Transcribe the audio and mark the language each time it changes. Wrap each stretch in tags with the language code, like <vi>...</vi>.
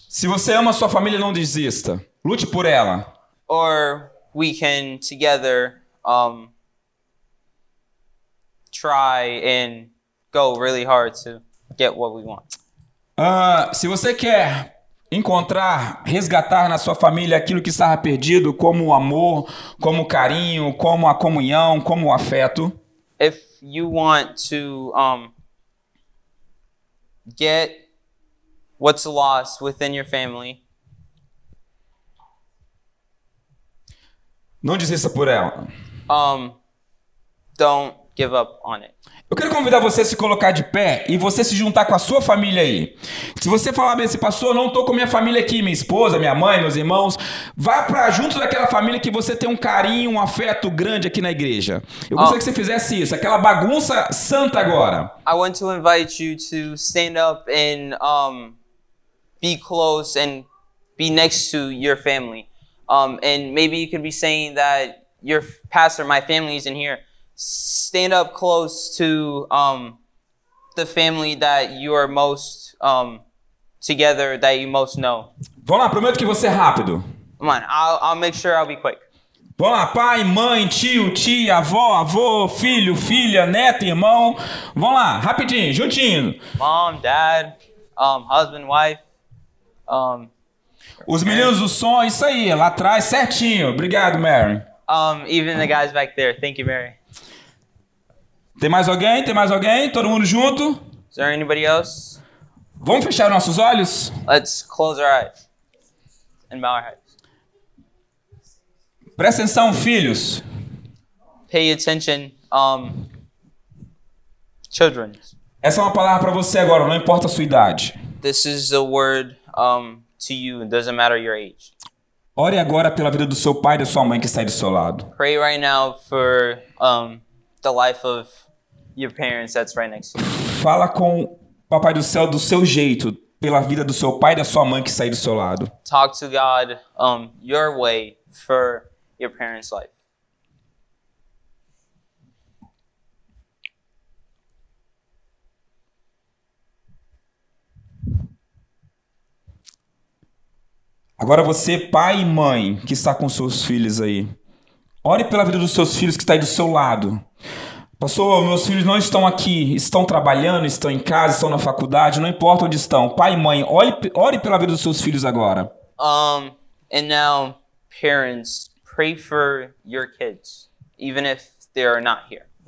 <pt>Se você ama sua família, não desista. Lute por ela.</pt> <en>Or we can together try and go really hard to get what we want.</en> <pt>Se você quer encontrar, resgatar na sua família aquilo que estava perdido, como o amor, como o carinho, como a comunhão, como o afeto.</pt> <en>If you want to get what's lost within your family,</en> <pt>não desista por ela.</pt> <en>Don't give up on it.</en> <pt>Eu quero convidar você a se colocar de pé e você se juntar com a sua família aí. Se você falar bem assim, pastor, eu não estou com minha família aqui, minha esposa, minha mãe, meus irmãos. Vá para junto daquela família que você tem um carinho, um afeto grande aqui na igreja. Eu gostaria que você fizesse isso, aquela bagunça santa agora.</pt> <en>I want to invite you to stand up and be close and be next to your family. And maybe you could be saying that your pastor, my family is in here. Stand up close to the family that you are most together, that you most know.</en> <pt>Vamos lá, prometo que vou ser rápido.</pt> <en>Come on, I'll make sure I'll be quick.</en> <pt>Vamos lá, pai, mãe, tio, tia, avó, avô, filho, filha, neto, irmão. Vamos lá, rapidinho, juntinho.</pt> <en>Mom, dad, husband, wife.</en> <pt>Os meninos do som, isso aí, lá atrás, certinho. Obrigado, Mary.</pt> <en>Even the guys back there. Thank you, Mary.</en> <pt>Tem mais alguém? Tem mais alguém? Todo mundo junto?</pt> <en>Is there anybody else?</en> <pt>Vamos fechar nossos olhos?</pt> <en>Let's close our eyes and bow our heads.</en> <pt>Presta atenção, filhos.</pt> <en>Pay attention, children.</en> <pt>Essa é uma palavra para você agora, não importa a sua idade.</pt> <en>This is a word to you, it doesn't matter your age.</en> <pt>Ore agora pela vida do seu pai e da sua mãe que está aí do seu lado.</pt> <en>Pray right now for the life of your parents that's right next to you.</en> <pt>Fala com o Papai do Céu do seu jeito, pela vida do seu pai e da sua mãe que está aí do seu lado.</pt> <en>Talk to God your way for your parents' life.</en> <pt>Agora você, pai e mãe, que está com seus filhos aí. Ore pela vida dos seus filhos que está aí do seu lado. Pastor, meus filhos não estão aqui, estão trabalhando, estão em casa, estão na faculdade, não importa onde estão. Pai e mãe, ore pela vida dos seus filhos agora.</pt> <en>And now, parents, pray for your kids, even if they are not here.</en>